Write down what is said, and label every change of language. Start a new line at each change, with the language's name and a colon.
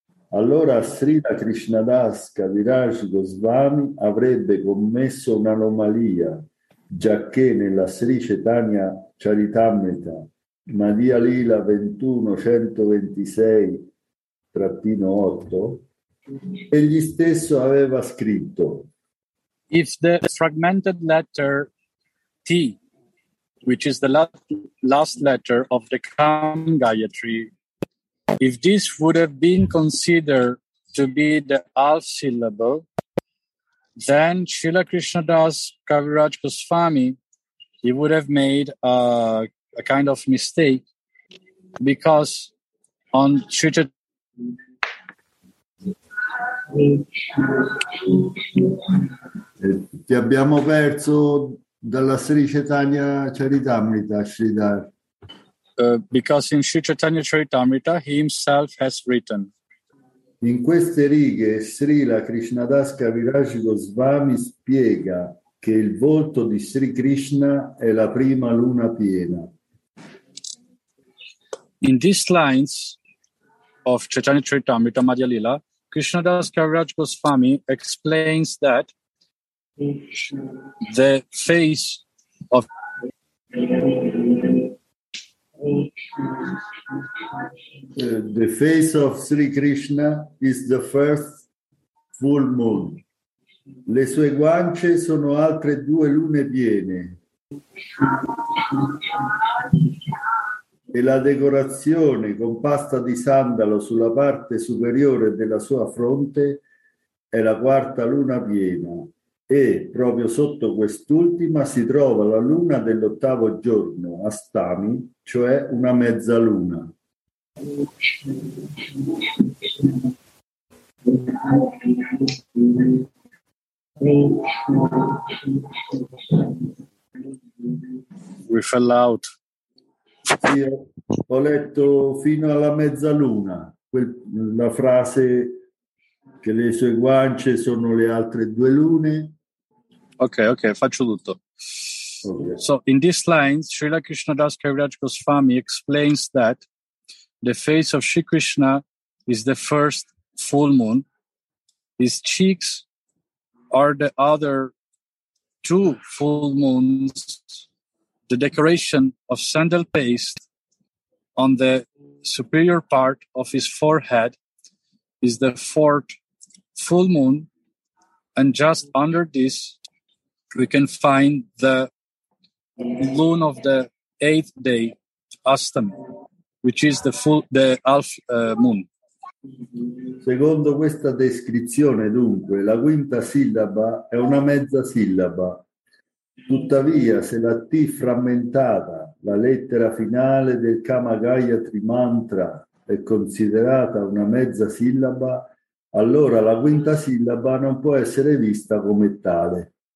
Italian: allora Srila Krishnadas Kaviraj Goswami avrebbe commesso un'anomalia, giacché nella Sri Chaitanya Charitamrita, Madhya Lila 21-126-8, egli stesso aveva scritto:
English: If the fragmented letter T, which is the last letter of the Kam Gayatri, if this would have been considered to be the half syllable, then Srila Krishnadas Kaviraj Goswami, he would have made a kind of mistake, because on Sri
Italian: Ti abbiamo perso dalla Sri Chaitanya Charitamrita, Sridhar.
English: Because in Sri Chaitanya Charitamrita he himself has written.
Italian: In queste righe Srila Krishnadas Kaviraj Goswami spiega che il volto di Sri Krishna è la prima luna piena.
English: In these lines of Chaitanya Charitamrita Madhya Lila, Krishnadas Kaviraj Goswami explains that the face of The face of Sri Krishna is the first full moon.
Italian: Le sue guance sono altre due lune piene. E la decorazione con pasta di sandalo sulla parte superiore della sua fronte è la quarta luna piena. E proprio sotto quest'ultima si trova la luna dell'ottavo giorno, Astami, cioè una mezzaluna.
English: We fell out.
Italian: Io ho letto fino alla mezzaluna la frase che le sue guance sono le altre due lune. Ok, faccio tutto. Okay.
English: So in these lines, Srila Krishnadas Kaviraj Goswami explains that the face of Sri Krishna is the first full moon. His cheeks are the other two full moons. The decoration of sandal paste on the superior part of his forehead is the fourth full moon, and just under this we can find the lune of the eighth day, Astami, which is the half moon.
Italian: Secondo questa descrizione, dunque, la quinta sillaba è una mezza sillaba. Tuttavia, se la T frammentata, la lettera finale del Kama Gayatri mantra, è considerata una mezza sillaba, allora la quinta sillaba non può essere vista come tale.